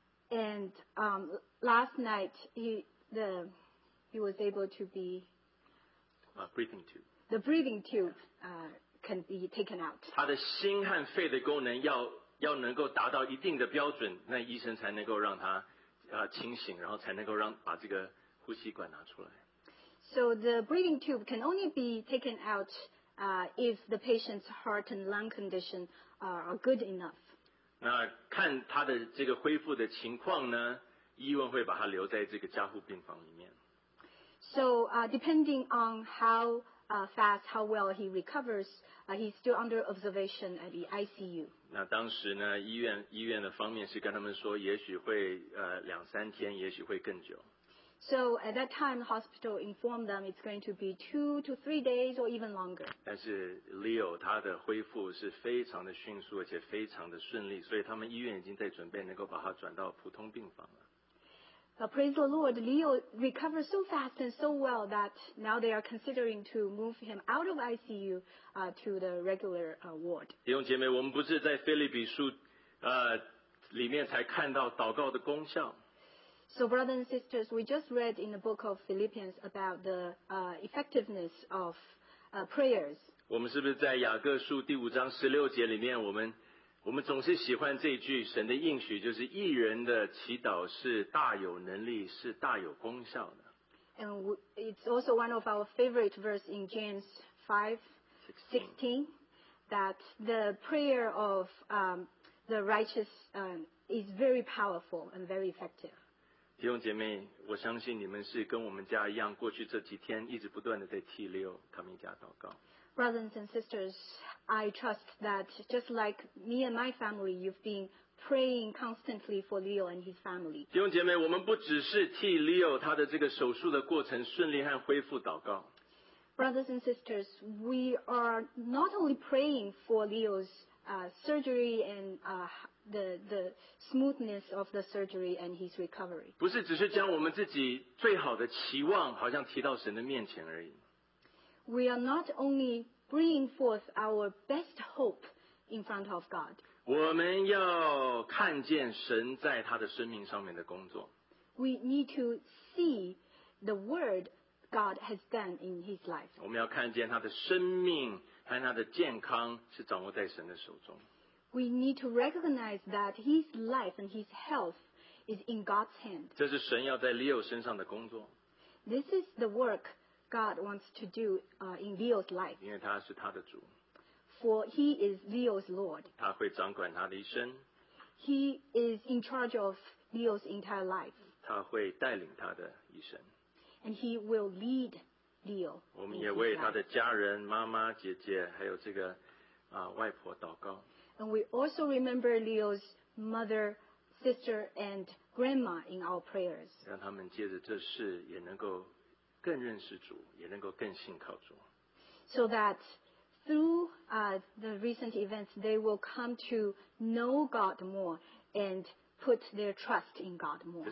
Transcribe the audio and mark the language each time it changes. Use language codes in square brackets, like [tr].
[en] And last night he was able to be breathing tube. The breathing tube can be taken out. [zh] 他的心和肺的功能要能够达到一定的标准，那医生才能够让他清醒，然后才能够把这个呼吸管拿出来。 [en] So the breathing tube can only be taken out if the patient's heart and lung condition are good enough. [zh] 那看他的这个恢复的情况呢，医院会把他留在这个加护病房里面。 [en] So depending on how fast, how well he recovers, he's still under observation at the ICU. [zh] 那当时呢，医院的方面是跟他们说，也许会两三天，也许会更久。 [en] So at that time, the hospital informed them it's going to be 2 to 3 days or even longer. [zh] 但是 Leo 他的恢复是非常的迅速，而且非常的顺利，所以他们医院已经在准备能够把他转到普通病房了。 [en] Praise the Lord, Leo recovered so fast and so well that now they are considering to move him out of ICU to the regular ward. [zh] 弟兄姐妹，我们不是在腓立比书里面才看到祷告的功效。 [en] So, brothers and sisters, we just read in the book of Philippians about the effectiveness of prayers. [zh] 我们是不是在雅各书第五章十六节里面，我们总是喜欢这句神的应许，就是义人的祈祷是大有能力，是大有功效的。 [en] And it's also one of our favorite verse in James 5:16, that the prayer of the righteous is very powerful and very effective. [zh] 弟兄姐妹，我相信你们是跟我们家一样，过去这几天一直不断的在T6他们家祷告。 [en] Brothers and sisters, I trust that just like me and my family, you've been praying constantly for Leo and his family. [zh] 弟兄姐妹，我们不只是替 Leo 他的这个手术的过程顺利和恢复祷告。 [en] Brothers and sisters, we are not only praying for Leo's surgery and the smoothness of the surgery and his recovery. [zh] 不是只是将我们自己最好的期望好像提到神的面前而已。 [en] We are not only bringing forth our best hope in front of God. [zh] 我们要看见神在他的生命上面的工作。 [en] We need to see the word God has done in his life. [zh] 我们要看见他的生命和他的健康是掌握在神的手中。 [en] We need to recognize that his life and his health is in God's hand. [zh] 这是神要在 Leo 身上的工作。 [en] This is the work God wants to do in Leo's life. [zh] 因为他是他的主。 [en] For he is Leo's Lord. [zh] 他会掌管他的一生。 [en] He is in charge of Leo's entire life. [zh] 他会带领他的一生。 [en] And he will lead Leo. [zh] 我们也为他的家人、妈妈、姐姐，还有这个外婆祷告。 [en] And we also remember Leo's mother, sister, and grandma in our prayers. [zh] 让他们借着这事也能够更认识主，也能够更信靠主。 [en] So that through the recent events, they will come to know God more and put their trust in God more.